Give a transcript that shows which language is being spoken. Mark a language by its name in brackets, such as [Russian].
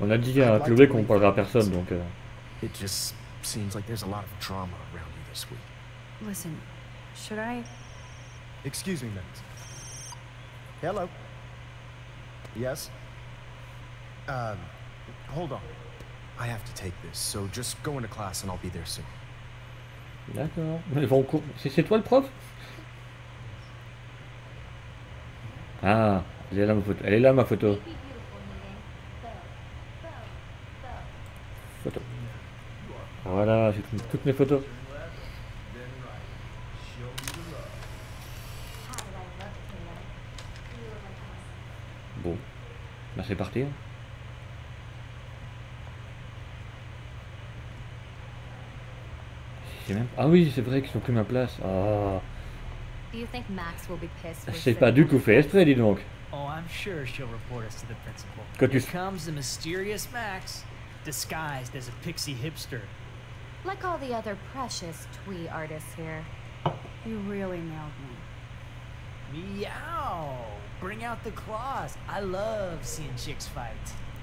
[French] On a dit à Chloé qu'on parlera à personne, donc. [English] It just seems like there's a lot of drama around you this week. Listen, should I? Excuse me, Max. Hello. Yes. Hold on. I have to take this, so just go into class and I'll be there soon. [French] D'accord. Ils vont cours. C'est toi le prof? Ah, elle est là ma photo. Elle est là ma photo. Photo. Voilà, j'ai toutes mes photos. Bon, ben c'est parti. J'ai même... Ah oui, c'est vrai qu'ils ont pris ma place. Ah. Oh. [English] Do you think Max will be pissed? [French] C'est pas du coup fait exprès, dis donc. [English] Oh, I'm sure she'll report us to the principal. [French] Quand [English] here comes the mysterious Max, disguised as a pixie hipster. Like all the other precious twee artists here. You really nailed me. Meow! Bring out the claws. I love seeing chicks fight.